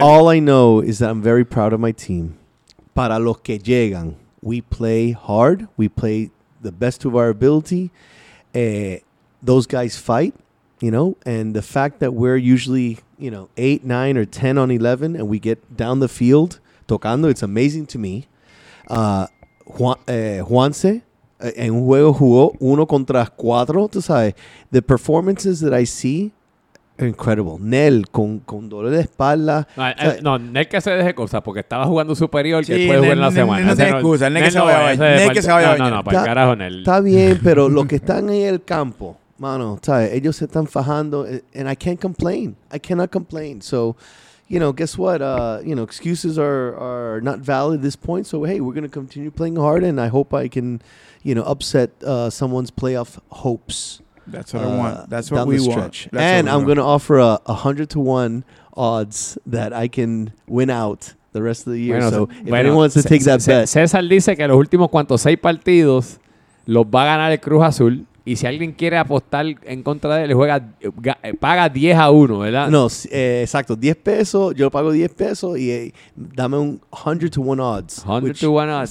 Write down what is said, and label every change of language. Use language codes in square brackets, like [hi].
[en] all I know is that I'm very proud of my team. [es] Para los que llegan, [en] we play hard. We play the best of our ability. Those guys fight, you know. And the fact that we're usually, you know, 8, 9, or 10 on 11, and we get down the field tocando, it's amazing to me. [es] Juanse en un juego jugó uno contra cuatro, tú sabes. [en] The performances that I see, incredible. [es] Nel con dolor de espalda. No, Nel que se deje cosas porque estaba jugando superior que puede jugar en la semana. No se excusa, Nel que se vaya a bañar. Nel que se vaya a bañar. No, para el carajo, Nel. Está bien, pero los que están en el campo, mano, ¿sabes? Ellos se están fajando. [en] And I can't complain. I cannot complain. So, you know, guess what? You know, excuses are not valid at this point. So, hey, we're going to continue playing hard and I hope I can, you know, upset someone's playoff hopes. That's what I want. That's what we want. That's and I'm going to offer a 100-to-1 odds that I can win out the rest of the year. [es] Bueno, [en] so, if anyone wants to take that bet. [es] César dice que los últimos cuantos 6 partidos los va a ganar el Cruz Azul. Y si alguien quiere apostar en contra de él, juega, paga 10 a 1, ¿verdad? No, exacto. 10 pesos, yo pago 10 pesos y dame un [en] 100-to-1 odds. 100-to-1 odds.